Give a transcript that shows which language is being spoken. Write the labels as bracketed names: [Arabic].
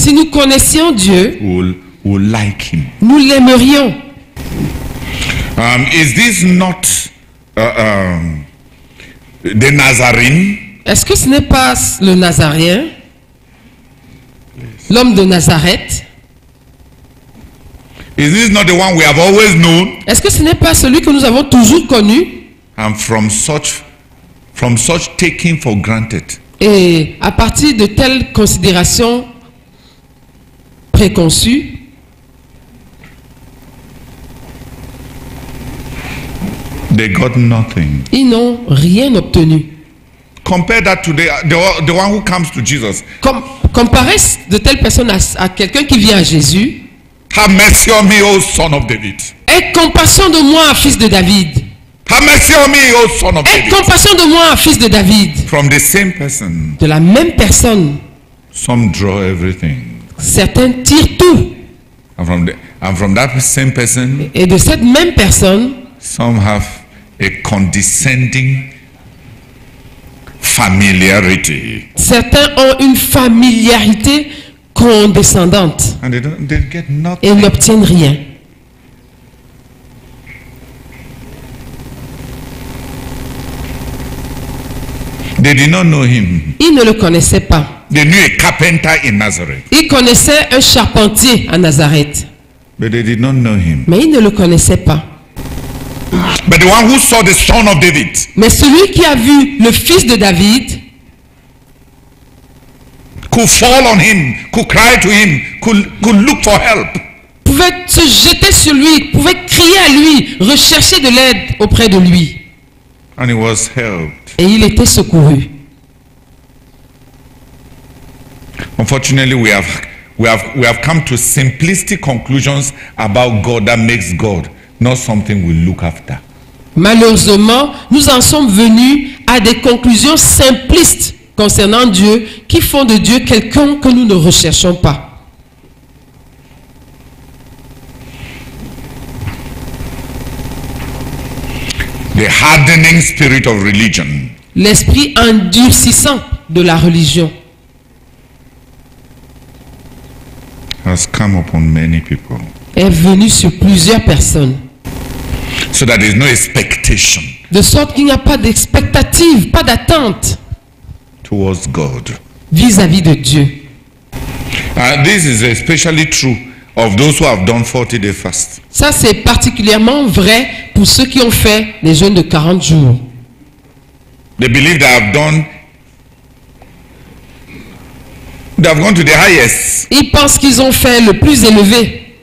[French] si nous connaissions Dieu, [English] we'll like him. [French] Nous l'aimerions. [English] Is this not the Nazarene? [French] Est-ce que ce n'est pas le Nazaréen? L'homme de Nazareth? [English] Is this not the one we have always known? [French] Est-ce que ce n'est pas celui que nous avons toujours connu? [English] And from such taking for granted. [French] Et à partir de telles considérations préconçues, [English] they got nothing. [French] Ils n'ont rien obtenu. [English] Compare that to the one who comes to Jesus. [French] Comparez de telles personnes à quelqu'un qui vient à Jésus. [English] Have mercy on me, O son of David. [French] Aie compassion de moi, fils de David. [English] Have mercy on me, O son of David. [French] Aie compassion de moi, fils de David. [English] From the same person. [French] De la même personne. [English] Some draw everything. [French] Certains tirent tout. [English] And from that same person. [French] Et de cette même personne. [English] Some have a condescending familiarity. [French] Certains ont une familiarité condescendante. [English] And they get nothing. [French] Et n'obtiennent rien. [English] They did not know him. [French] Ils ne le connaissaient pas. [English] They knew a carpenter in Nazareth. [French] Ils connaissaient un charpentier à Nazareth. [English] But they did not know him. [French] Mais ils ne le connaissaient pas. [English] But the one who saw the son of David. [French] Mais celui qui a vu le fils de David. [English] Could fall on him, could cry to him, could look for help. [French] Pouvait se jeter sur lui, pouvait crier à lui, rechercher de l'aide auprès de lui. [English] And he was helped. [French] Et il était secouru. [English] Unfortunately, we have come to simplistic conclusions about God that makes God not something we look after. [French] Malheureusement, nous en sommes venus à des conclusions simplistes concernant Dieu qui font de Dieu quelqu'un que nous ne recherchons pas. [English] The hardening spirit of religion. [French] L'esprit endurcissant de la religion. [English] Has come upon many people. [French] Est venu sur plusieurs personnes. [English] So that there is no expectation. [French] De sorte qu'il n'y a pas d'expectative, pas d'attente. [English] Towards God. [French] Vis-à-vis de Dieu. [English] And this is especially true of those who have done 40 day fast. [French] Ça c'est particulièrement vrai pour ceux qui ont fait les jeûnes de 40 jours. [English] They believe they have done. They have gone to the highest. [French] Ils pensent qu'ils ont fait le plus élevé.